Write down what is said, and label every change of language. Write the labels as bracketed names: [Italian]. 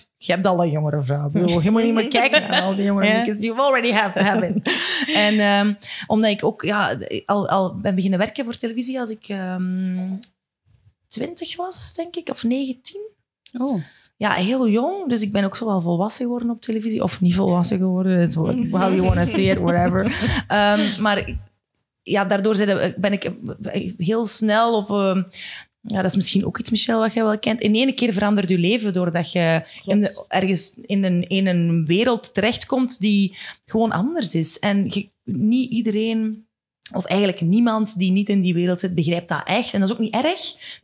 [Dutch] Je hebt al een jongere vrouw. Je moet niet meer kijken naar al die jongere meekjes die you already have. En omdat ik ook al ben beginnen werken voor televisie als ik 20 was, denk ik, of 19. Oh. Ja, heel jong. Dus ik ben ook zowel volwassen geworden op televisie. Of niet volwassen geworden. [English] It's how you want to see it, whatever. [Dutch] Maar ja, daardoor ben ik heel snel of... dat is misschien ook iets, Michel, wat jij wel kent. In één keer verandert je leven doordat je ergens in een wereld terechtkomt die gewoon anders is. En niet iedereen, of eigenlijk niemand die niet in die wereld zit, begrijpt dat echt. En dat is ook niet erg.